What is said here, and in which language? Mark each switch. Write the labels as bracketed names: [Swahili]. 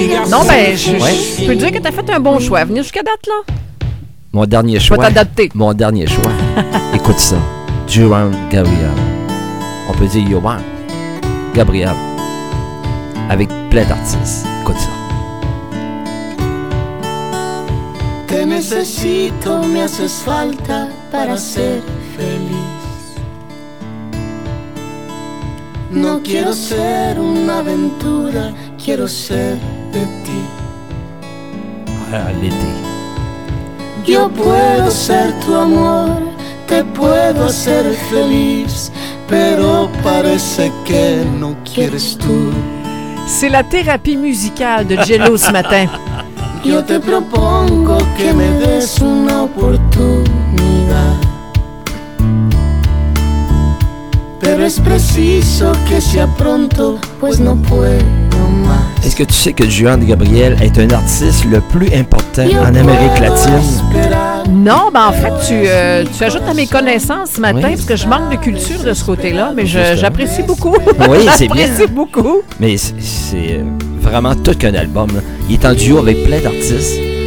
[French] Non, mais je peux dire que t'as fait un bon choix à venir jusqu'à date, là. Mon dernier choix. Je vais t'adapter. Mon dernier choix. Écoute ça. Juan Gabriel. On peut dire Juan. Gabriel, avec plein d'artistes. Écoute ça. [Spanish] Te necesito, me haces falta para ser feliz. No quiero ser una aventura, quiero ser de ti. [French] Ah, l'été. [Spanish] Yo puedo ser tu amor, te puedo hacer feliz. Pero parece que no quieres tú. [French] C'est la thérapie musicale de Jello ce matin. [Spanish] Yo te propongo que me des una oportunidad. Pero es preciso que sea pronto, pues no puedo más. [French] Est-ce que tu sais que Juan Gabriel est un artiste le plus important [Spanish] yo [French] en Amérique latine? Non, ben en fait, tu ajoutes à mes connaissances ce matin, oui. Parce que je manque de culture de ce côté-là, mais j'apprécie beaucoup. Oui, c'est bien. J'apprécie beaucoup. Mais c'est vraiment tout qu'un album. Là. Il est en duo avec plein d'artistes.